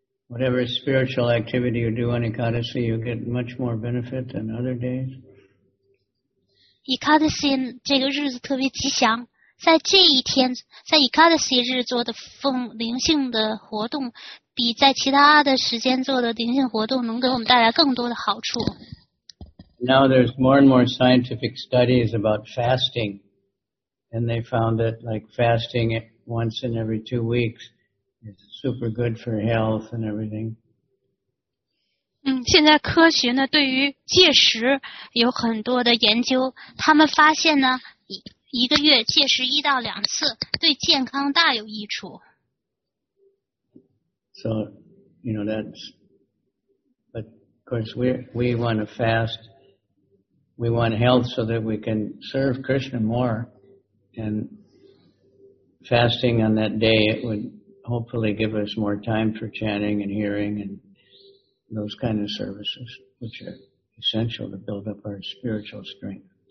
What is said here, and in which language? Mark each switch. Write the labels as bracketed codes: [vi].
[en] Whatever spiritual activity you do on Ekadasi, you get much more benefit than other days. [zh] Ekadasi 这个日子特别吉祥。在这一天，在 Ekadasi 日做的灵性的活动，比在其他的时间做的灵性活动能给我们带来更多的好处。 [en] Now there's more and more scientific studies about fasting, and they found that like fasting once in every 2 weeks is super good for health and everything. [zh] 现在科学呢对于戒食有很多的研究，他们发现呢。一个月戒食一到两次对健康大有益处。 [en] So, you know, that's, but of course we want to fast, we want health so that we can serve Krishna more, and fasting on that day, it would hopefully give us more time for chanting and hearing and those kind of services, which are essential to build up our spiritual strength.